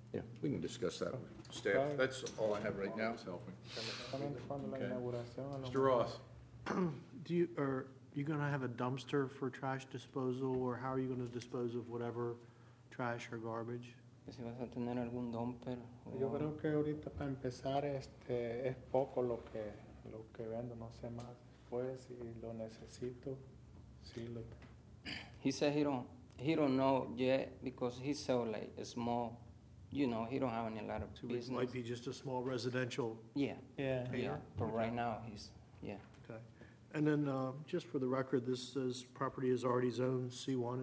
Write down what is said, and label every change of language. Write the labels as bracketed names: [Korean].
[English] Yeah, we can discuss that. Staff, that's all I have right now. Okay. Mr. Ross. Are you going to have a dumpster for trash disposal, or how are you going to dispose of whatever trash or garbage? [Spanish] Si vas a tener algún dumper. Yo creo que ahorita para empezar es poco lo que vendo, no sé más. Pues si lo necesito, sí lo. [English] He said he don't know yet because he sell like a small, you know, he don't have any lot of so business. It might be just a small residential. Yeah. Yeah. Yeah. Yeah. But okay. Right now he's yeah. Okay. And then just for the record, this says property is already zoned C1.